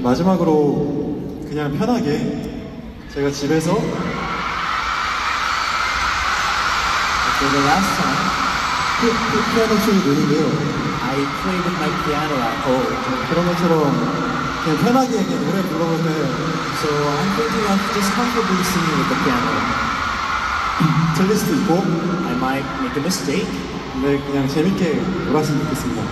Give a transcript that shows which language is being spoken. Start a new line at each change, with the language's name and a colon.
Korean: 마지막으로 그냥 편하게 제가 집에서
English: For the last time,
Korean: 피아노 치는 노래인데요.
English: I play with my piano at home.
Korean: 그런 것처럼 그냥 편하게 그냥 노래 불러보세요.
English: So I'm thinking of just comfortably singing with the piano.
Korean: 틀릴 수도 있고
English: I might make a mistake.
Korean: 네, 그냥 재밌게 놀았으면 좋겠습니다.